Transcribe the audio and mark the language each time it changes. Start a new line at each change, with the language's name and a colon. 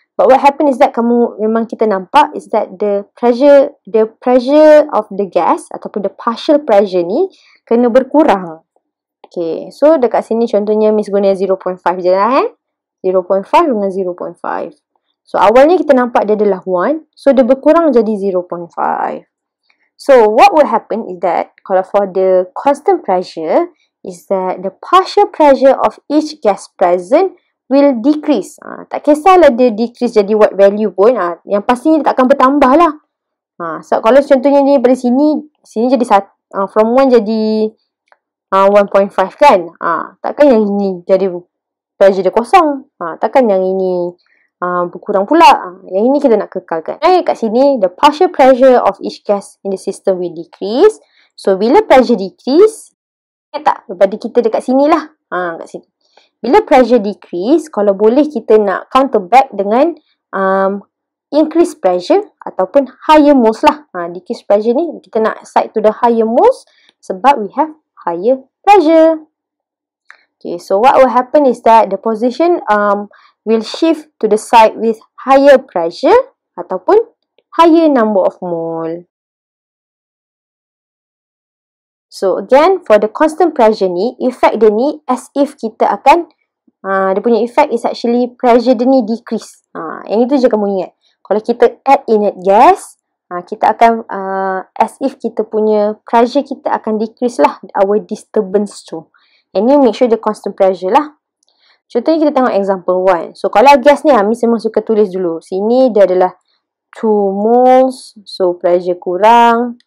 English: But what happened is that
Malay: kamu memang kita nampak
English: is that the pressure of the gas ataupun the partial pressure
Malay: ni kena berkurang. Okay, so dekat sini contohnya Miss guna 0.5 je lah eh. 0.5 dengan 0.5. So awalnya kita nampak dia adalah 1. So dia berkurang jadi 0.5.
English: So what will happen is that kalau for the constant pressure is that the partial pressure of each gas present will decrease.
Malay: Tak kisahlah dia decrease jadi
English: what value
Malay: pun. Yang pastinya dia takkan bertambah lah. So kalau contohnya ni dari sini, sini jadi satu, from 1 jadi 1.5 kan. Takkan yang ini jadi pressure dia kosong. Takkan yang ini berkurang pula. Yang ini kita nak kekalkan.
English: Okay,
Malay: kat sini,
English: the partial pressure of each gas in the system will decrease.
Malay: So bila pressure decrease, ingat tak? Daripada kita dekat sini lah. Kat sini. Bila pressure decrease, kalau boleh kita nak
English: counter back
Malay: dengan increase pressure ataupun higher moles lah.
English: Decrease pressure ni,
Malay: kita nak
English: side to the higher moles sebab we have higher pressure. Okay, so what will happen is that the position will shift to the side with higher pressure ataupun higher number of mole.
Malay: So again, for the constant pressure ni, effect dia ni as if kita akan dia punya effect is actually pressure dia ni decrease. Yang itu je kamu ingat. Kalau kita add inert gas, kita akan as if kita punya pressure kita akan decrease lah
English: our disturbance
Malay: tu.
English: And you make sure the constant pressure lah.
Malay: Contohnya kita tengok example 1. So kalau gas ni, Miss memang suka tulis dulu. Sini dia adalah 2 moles, so pressure kurang.